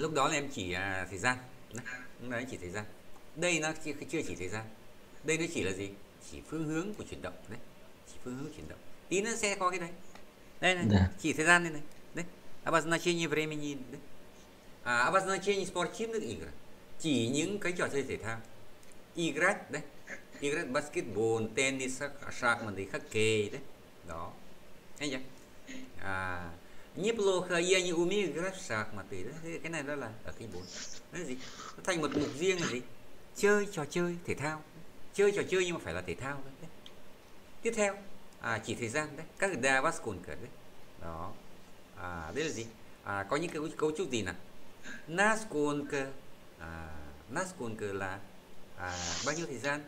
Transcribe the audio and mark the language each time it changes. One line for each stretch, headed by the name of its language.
Vietnamese: Lúc đó là em chỉ thời gian, đấy chỉ thời gian. Đây nó chưa chỉ thời gian, đây nó chỉ là gì? Chỉ phương hướng của chuyển động đấy, chỉ phương hướng chuyển động. Tí nó sẽ có cái này, đây này, chỉ thời gian đây này.
Russian: Обозначение времени, да? Обозначение спортивных игр.
Vietnamese: Chỉ những cái trò chơi thể thao.
Russian: Играть, да? Играть баскетбол, теннис, шахматы, хоккей, да?
Vietnamese: Đó. Thấy chưa?
Russian: Неплохо, я не умею играть в шахматы, да?
Vietnamese: Cái này đó là ở cái 4. Nó gì? Nó thành một mục riêng là gì? Chơi trò chơi thể thao. Chơi trò chơi nhưng mà phải là thể thao, đấy. Tiếp theo, À, chỉ thời gian đấy, các đa bát cồn cỡ đấy đó. À, đây là gì? À, có những cái cấu trúc gì nào? Nas cồn cỡ, nas cồn cỡ là bao nhiêu thời gian?